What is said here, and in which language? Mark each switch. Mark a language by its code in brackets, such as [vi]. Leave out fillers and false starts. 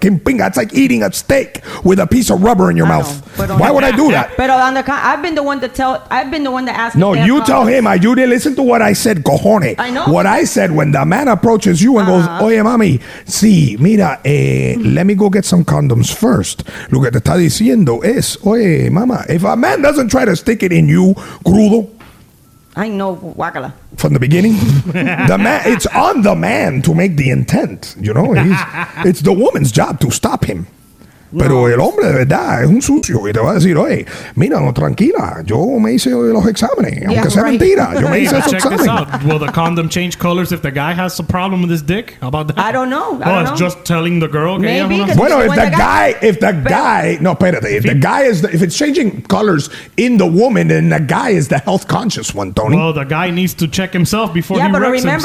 [en] It's like eating a steak with a piece of rubber in your mouth. Why would I do that? But on I've been the one to ask. No, you tell him. You didn't listen to what I said, cojone. I know. What I said when the man approaches you and goes, [es] oye, mami, sí, mira, [en] let me go get some condoms first. [es] Lo que te está diciendo es, oye, mama. [en] If a man doesn't try to stick it in you, crudo. I know, guacala. From the beginning? The man, it's on the man to make the intent, you know? It's the woman's job to stop him. No. [es] Pero el hombre de verdad es un sucio y te va a decir, oye, mira, no, tranquila, yo me hice los exámenes, aunque sea mentira, yo me hice esos exámenes. [en] Check this out. Will the condom change colors if the guy has a problem with his dick? How about that? I don't know. Oh, it's just telling the girl? Maybe. Okay, bueno, if it's changing colors in the woman, then the guy is the health conscious one, Tony. Well, the guy needs to check himself before he wrecks himself.